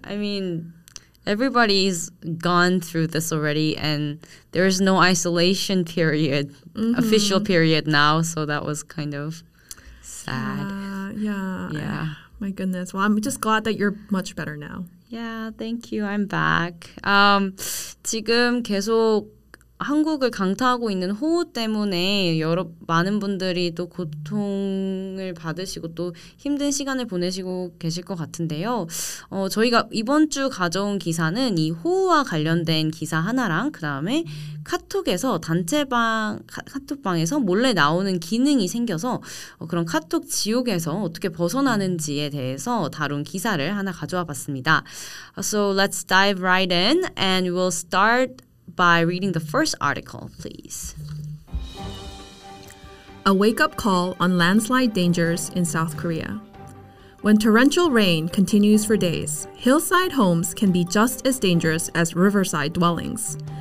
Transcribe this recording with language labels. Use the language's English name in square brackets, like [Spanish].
[English] I mean, everybody's gone through this already, and there is no isolation period, official period now, so that was kind of sad. Yeah. My goodness. Well, I'm just glad that you're much better now. Yeah, thank you. I'm back. [Korean] 지금 계속 한국을 강타하고 있는 호우 때문에 여러 많은 분들이 또 고통을 받으시고 또 힘든 시간을 보내시고 계실 것 같은데요. 저희가 이번 주 가져온 기사는 이 호우와 관련된 기사 하나랑 그다음에 카톡에서 단체방 카톡방에서 몰래 나오는 기능이 생겨서 그런 카톡 지옥에서 어떻게 벗어나는지에 대해서 다룬 기사를 하나 가져와 봤습니다. [English] So let's dive right in and we'll start by reading the first article, please. A wake-up call on landslide dangers in South Korea. When torrential rain continues for days, hillside homes can be just as dangerous as riverside dwellings.